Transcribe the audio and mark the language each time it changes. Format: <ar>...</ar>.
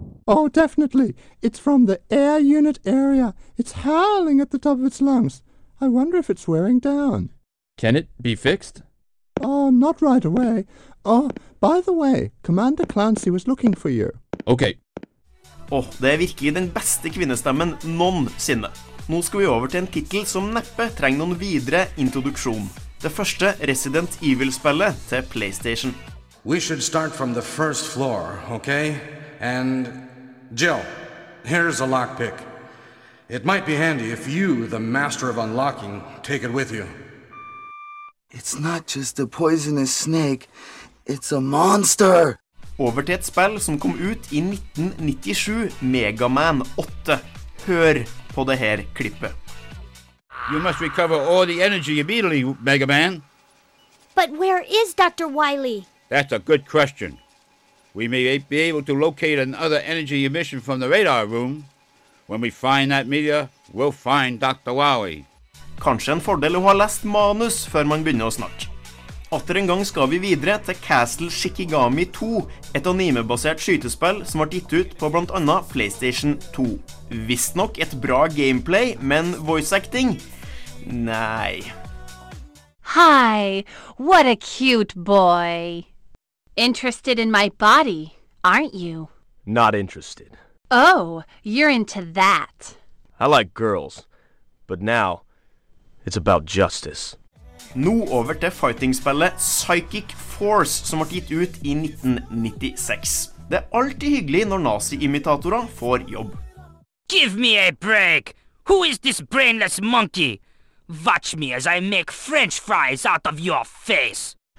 <en>Oh, definitely. It's from the air unit area. It's howling at the top of its lungs. I wonder if it's wearing down. Can it be fixed? Oh, not right away. Oh, by the way, Commander Clancy was looking for you. Okay.</en> <no>Oh, det virkelig den beste kvinnestemmen noensinne. Nå skal vi over til en titel som neppe trenger noen videre introduksjon. Det første Resident Evil-spillet til PlayStation.</no> <en>We should start from the first floor, okay? And Jill, here's a lockpick. It might be handy if you, the master of unlocking, take it with you. It's not just a poisonous snake, it's a monster!</en> <no>Over til et spill som kom ut I 1997, Mega Man 8. Hør på det her klippet.</no> <en>You must recover all the energy immediately, Mega Man. But where is Dr. Wily? That's a good question. We may be able to locate another energy emission from the radar room. When we find that meteor, we'll find Dr. Wily.</en> <no>Kanskje en fordel å ha lest manus før man begynner å snakke. Atter en gang skal vi videre til Castle Shikigami 2, et animebasert skytespill som ble gitt ut på blant annet PlayStation 2. Visst nok et bra gameplay, men voice acting? Nei.</no> <en>Hi, what a cute boy. Interested in my body, aren't you? Not interested. Oh, you're into that. I like girls, but now it's about justice.</en> <no>Nå over til fighting-spillet Psychic Force, som ble gitt ut I 1996. Det alltid hyggelig når nazi-imitatorer får jobb.</no> <en>Give me a break! Who is this brainless monkey? Watch me as I make french fries out of your face!</en>